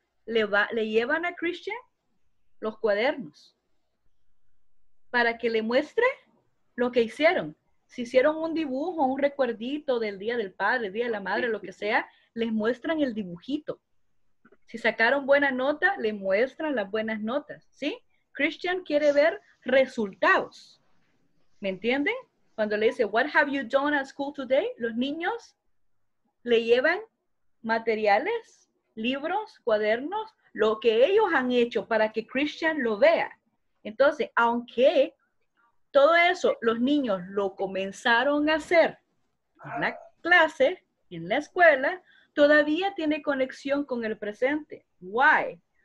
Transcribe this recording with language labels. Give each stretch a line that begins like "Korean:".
Spanish: Le llevan a Christian los cuadernos para que le muestre lo que hicieron. Si hicieron un dibujo, un recuerdito del Día del Padre, Día de la Madre, lo que sea, les muestran el dibujito. Si sacaron buena nota, le muestran las buenas notas, ¿sí? Christian quiere ver resultados. ¿Me entienden? Cuando le dice,
English: what have you done at school today?
Spanish: Los niños le llevan materiales, libros, cuadernos, lo que ellos han hecho para que Christian lo vea. Entonces, aunque todo eso los niños lo comenzaron a hacer en la clase, en la escuela, todavía tiene conexión con el presente. Why?